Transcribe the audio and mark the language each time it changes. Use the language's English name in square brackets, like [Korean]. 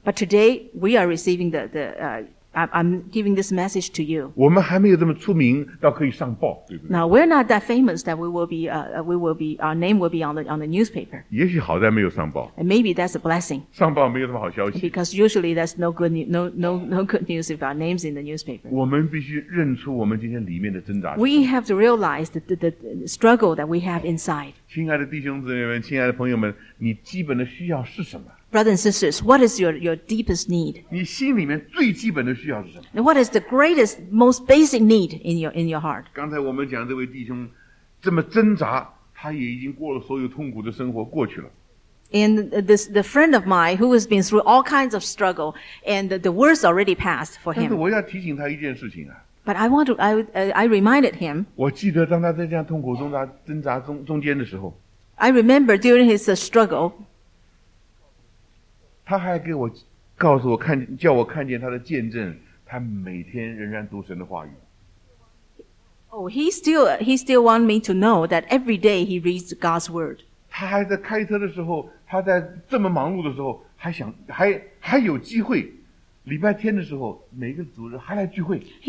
[English] But today we are receiving I'm giving this message to you. [Chinese] 我们还没有这么出名到可以上报，对不对？ [English] Now we're not that famous that we will be our name will be on the newspaper. [Chinese] 也许好在没有上报。 [English] And maybe that's a blessing. [Chinese] 上报没有什么好消息。 [English] Because usually that's no good news if our name's in the newspaper. [Chinese] 我们必须认出我们今天里面的挣扎。 [English] We have to realize the struggle that we have inside. [Chinese] 亲爱的弟兄姊妹们，亲爱的朋友们，你基本的需要是什么？ [English] Brothers and sisters, what is your deepest need? [Chinese] 你心里面最基本的需要是什么？ [English] And what is the greatest, most basic need in your heart? [Chinese] 刚才我们讲这位弟兄这么挣扎，他也已经过了所有痛苦的生活过去了。 [English] And this, the friend of mine who has been through all kinds of struggle, and the worst already passed for him. [Chinese] 但是我要提醒他一件事情啊。 [English] But I reminded him. [Chinese] 我记得当他在这样痛苦中挣扎中间的时候。 [English] I remember during his struggle, [Chinese] 他还给我告诉我看叫我看见他的见证，他每天仍然读神的话语。 [English] Oh, he still want me to know that every day he reads God's word. [Chinese] 他还在开车的时候，他在这么忙碌的时候，还有机会，礼拜天的时候，每个主日还来聚会。